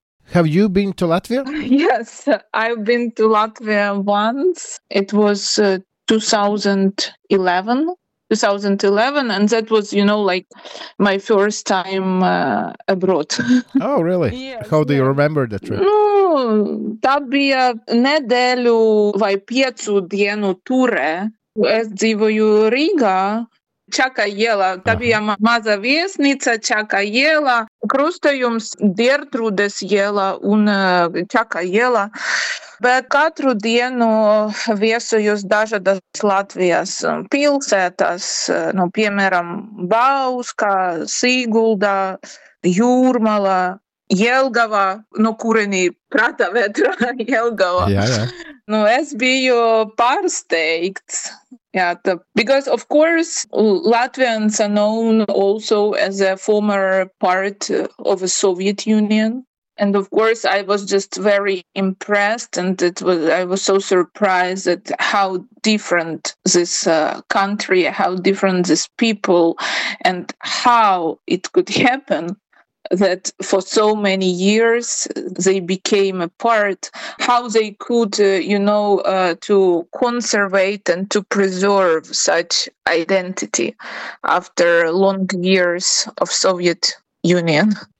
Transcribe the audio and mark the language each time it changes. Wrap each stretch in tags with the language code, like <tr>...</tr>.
<en>Have you been to Latvia? Yes, I've been to Latvia once. It was 2011. 2011, and that was, you know, like my first time abroad. Oh, really? Yes, how do you remember the trip?</en> <lv>No, tā bija nedēļu vai piecu dienu ture. Es dzīvoju Rīgā, Čaka iela. Tā bija maza viesnīca, Čaka iela, krustojums Dertrūdes iela un Čaka iela. Bet katru dienu viesojos dažādas Latvijas pilsētas, nu, piemēram, Bauska, Sīgulda, Jūrmala, Jelgava, no kurieni prata vētra Jelgava. Jā, jā. Nu, es biju pārsteigts.</lv> <en>Yeah, because of course Latvians are known also as a former part of the Soviet Union. And of course, I was just very impressed, and I was so surprised at how different this country, how different this people, and how it could happen that for so many years they became a part, how they could, to conservate and to preserve such identity after long years of Soviet Union.</en>